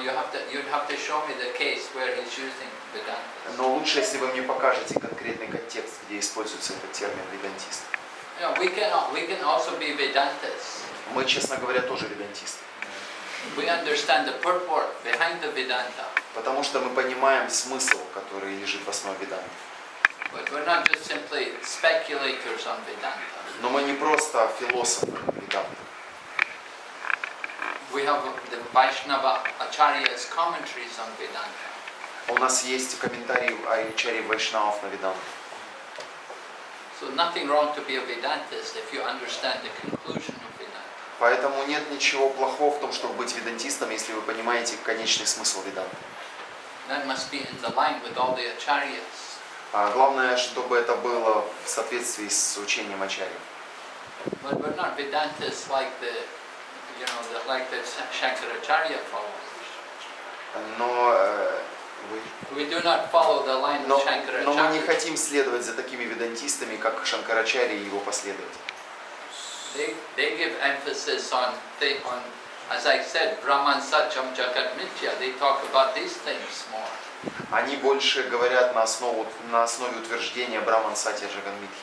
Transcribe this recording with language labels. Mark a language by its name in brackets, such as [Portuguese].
[English] You'd have to show me the case where he's using Vedanta. [Russian] Но лучше, если вы мне покажете конкретный контекст, где используется этот термин Vedantist. [English] Yeah, we can also be Vedantists. [Russian] Мы, честно говоря, тоже Vedantists. [English] We understand the purport behind the Vedanta. [Russian] Потому что мы понимаем смысл, который лежит в основе Vedanta. [English] But we're not just simply speculators on Vedanta. [Russian] Но мы не просто философы Vedanta. [English] We have the Vaishnava Acharya's commentaries on Vedanta. [Russian] У нас есть комментарии Ачарьи Вайшнавов на Веданту. [English] So nothing wrong to be a Vedantist if you understand the conclusion of Vedanta. [Russian] Поэтому нет ничего плохого в том, чтобы быть ведантистом, если вы понимаете конечный смысл Веданты. [English] That must be in the line with all the Acharyas. [Russian] Главное, чтобы это было в соответствии с учением Ачарьи. [English] But we're not Vedantists like the Shankaracharya followers. We do not follow the line of Shankaracharya. [Russian] Но мы не хотим следовать за такими ведантистами, как Шанкарачарья и его последователи. [English] They give emphasis on as I said, Brahman Satyam Jagat Mithya. They talk about these things more. [Russian] Они больше говорят на основе утверждения Брахман Сатья Джаганмитхи.